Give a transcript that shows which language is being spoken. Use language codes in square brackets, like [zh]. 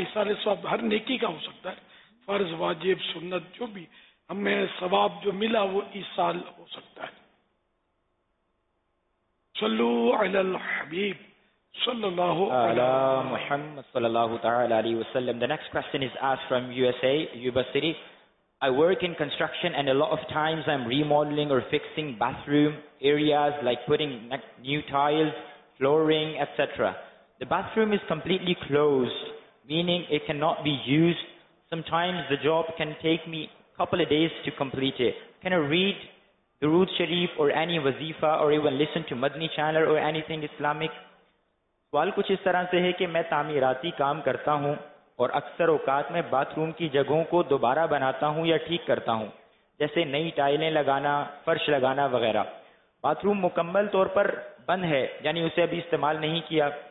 [ur] اسالے ثواب ہر نیکی کا ہو سکتا ہے, فرض واجب سنت جو بھی ہمیں ثواب جو ملا وہ اسال ہو سکتا ہے. [ar] صلو علی الحبیب صلی اللہ علی محمد صلی اللہ تعالی علیہ وسلم. [en] The next question is asked from USA, Yuba City. I work in construction and a lot of times I'm remodeling or fixing bathroom areas like putting new tiles, flooring, etc. The bathroom is completely closed, meaning it cannot be used. Sometimes the job can take me a couple of days to complete it. Can I read Durood Sharif or any wazifa or even listen to Madni channel or anything Islamic? [ur] سوال کچھ اس طرح سے ہے کہ میں تعمیراتی کام کرتا ہوں اور اکثر اوقات میں باتھ روم کی جگہوں کو دوبارہ بناتا ہوں یا ٹھیک کرتا ہوں, جیسے نئی ٹائلیں لگانا, فرش لگانا وغیرہ. باتھ روم مکمل طور پر بند ہے یعنی اسے ابھی استعمال نہیں کیا.